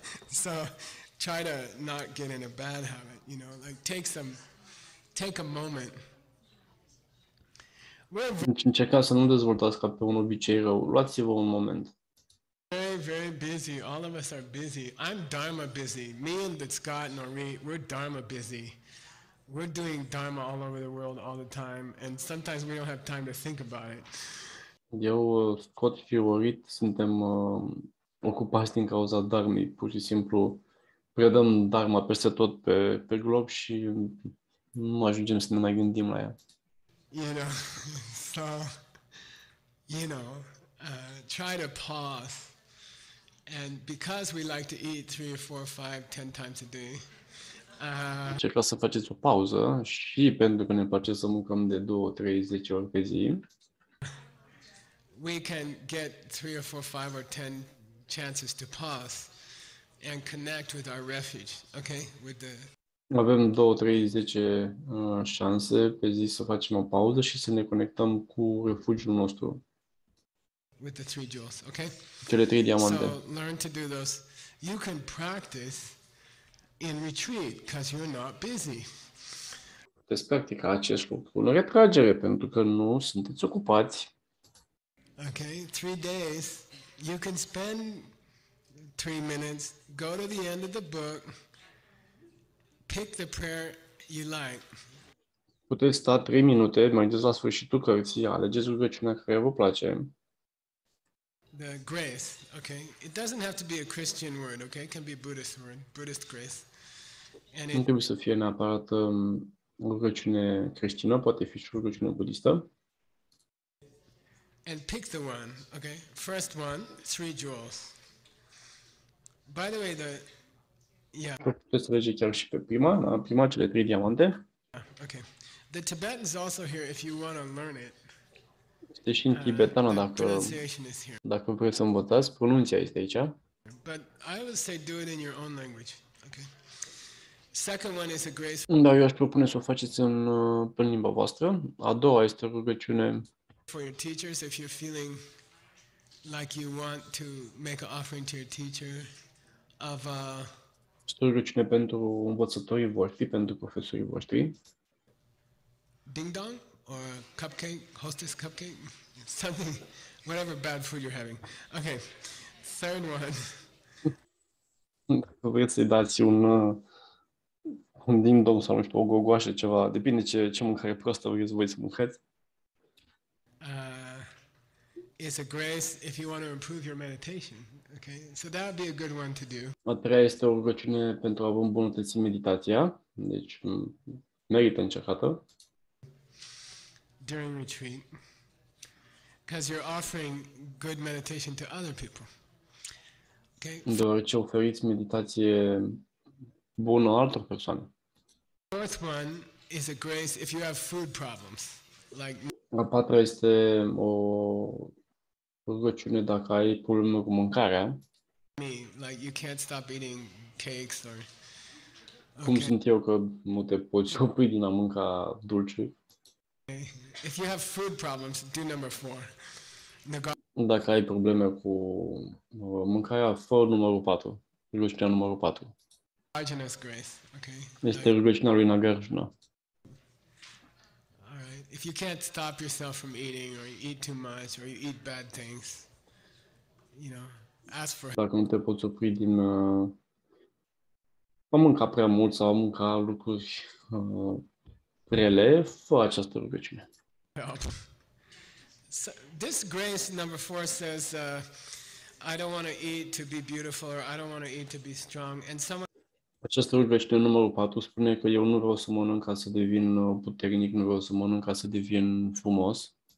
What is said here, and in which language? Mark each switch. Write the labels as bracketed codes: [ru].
[en] So try to not get in a bad habit, you know, like take a moment. [ro] Încerca să nu dezvoltați ca pe un obicei rău, luați-vă un moment. [en] Very, very busy. All of us are busy. I'm Dharma busy. Me and Scott and Ori, we're Dharma busy. We're doing Dharma all over the world all the time, and sometimes we don't have time to think about it. [ro] Eu, Scott și Ori, suntem ocupați din cauza Dharmei. Pur și simplu predăm Dharma peste tot pe glob și nu ajungem să ne mai gândim la ea. [en] You know, so, you know, try to pause. And because we like to eat 3 or 4 or 5 10 times a day. [ro] Încerca să faceți o pauză și pentru că ne place să mâncăm de 2, 3, 10 ori pe zi. [en] We can get 3 or 4 5 or 10 chances to pause and connect with our refuge, okay? With the [ro] avem 2, 3, 10 șanse pe zi să facem o pauză și să ne conectăm cu refugiul nostru. [en] With the three jewels, okay? [ro] Cele trei diamante. [en] So learn to do those. You can practice in retreat because you're not busy. [ro] Puteți practica acest lucru în retragere pentru că nu sunteți ocupați. [en] Okay, 3 days. You can spend 3 minutes. Go to the end of the book. Pick the prayer you like. [ro] Puteți sta 3 minute, mergeți la sfârșitul cărții, alegeți rugăciunea care vă place. [en] The grace, okay? It doesn't have to be a Christian word, okay? It can be a Buddhist word, Buddhist grace. And it [ro] nu trebuie să fie neapărat rugăciune creștină, poate fi și rugăciune budistă. [en] And pick the one, okay? First one, 3 jewels. By the way, [ro] puteți alege chiar și pe prima, cele 3 diamante. [en] Okay. The Tibetan is also here if you want to learn it. [ro] Este și în tibetană dacă vreți să învățați, pronunția este aici. [en] But I would say do it in your own language. Okay. Second one is a grace. [ro] Dar eu aș propune să o faceți în limba voastră. A doua este rugăciune. [en] For your teachers, if you're feeling like you want to make an offering to your teacher of [ro] rugăciune pentru învățătorii voștri, pentru profesorii voștri. [en] Ding Dong or Cupcake, Hostess Cupcake, something, whatever bad food you're having. Okay, third one. [ro] Vreți să-i dați un Ding Dong sau, nu știu, o gogoașă, ceva. Depinde ce mâncare prostă vreți voi să mâncați. [en] It's a grace if you want to improve your meditation. Okay, so that would be a good one to do. [ro] A treia este o rugăciune pentru a vă îmbunătăți meditația. Deci, merită încercată. [en] During retreat, because you're offering good meditation to other people. Okay. [ro] Deoarece oferiți meditație bună altor persoane. [en] Fourth one is a grace if you have food problems, like. [ro] A patra este o rugăciune dacă ai probleme cu mâncarea. [en] Me, like you can't stop eating cakes or. [ro] Cum sunt eu că nu te poți opri din a mânca dulce? [en] If you have food problems, do number four. [ro] Dacă ai probleme cu mâncarea, fă numărul 4. Rugăciunea numărul 4. [en] Nagarjuna's grace, okay? [ro] Este rugăciunea lui Nagarjuna. [en] If you can't stop yourself from eating or you eat too much or you eat bad things, you know, ask for. [ro] Dacă nu te poți opri din a mânca prea mult sau a mânca lucruri rele, fă această rugăciune. [en] So, this grace number four says I don't want to eat to be beautiful or I don't want to eat to be strong and someone. [ro] Această rugăciune numărul 4 spune că eu nu vreau să mănânc ca să devin puternic, nu vreau să mănânc ca să devin frumos.